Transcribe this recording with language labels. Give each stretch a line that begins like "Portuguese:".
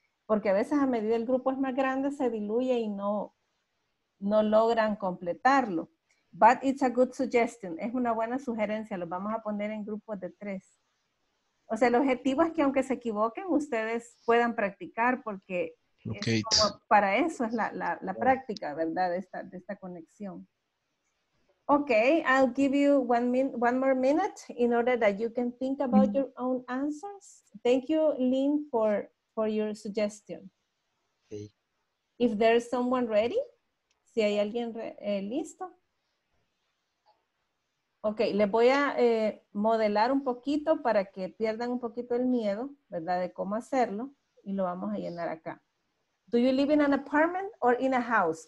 Spanish: Porque a veces a medida el grupo es más grande se diluye y no logran completarlo.
English: But it's a good suggestion,
Spanish: es una buena sugerencia, los vamos a poner en grupos de tres. O sea, el objetivo es que aunque se equivoquen, ustedes puedan practicar porque okay. Es como, para eso es la práctica, ¿verdad? De esta conexión.
English: Okay, I'll give you one more minute in order that you can think about your own answers. Thank you, Lynn, for your suggestion. Okay. If there's someone ready,
Spanish: si hay alguien listo. Okay, les voy a modelar un poquito para que pierdan un poquito el miedo, ¿verdad? De cómo hacerlo y lo vamos a llenar acá.
English: Do you live in an apartment or in a house?